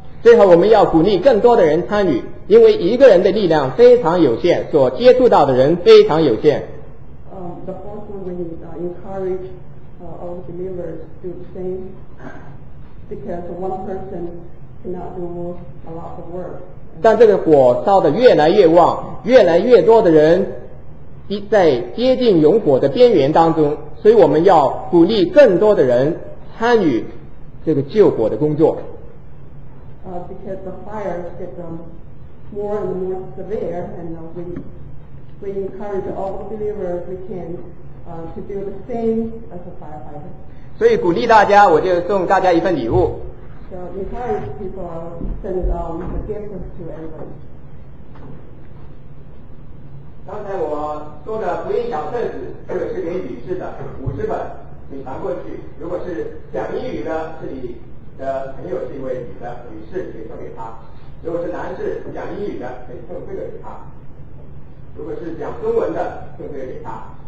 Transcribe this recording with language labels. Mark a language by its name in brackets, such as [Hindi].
[Chinese] 最后，我们要鼓励更多的人参与，因为一个人的力量非常有限，所接触到的人非常有限。 [English] The fourth one, we need to encourage all believers to change, because one person cannot do a lot of work. [Chinese] 但这个火烧得越来越旺，越来越多的人在接近熔火的边缘当中，所以我们要鼓励更多的人参与这个救火的工作。 [English] Because the fire gets more and more severe, and we encourage all believers we can to do the same as a firefighter. [Chinese] 所以鼓励大家，我就送大家一份礼物。 [English] So encourage people send the gifts to everyone. [Chinese] 刚才我说的福音小册子，这个是给女士的，50本，你传过去。如果是讲英语的，是你的朋友是一位女的，女士可以送给她。如果是男士讲英语的，可以送这个给他。如果是讲中文的，送这个给他。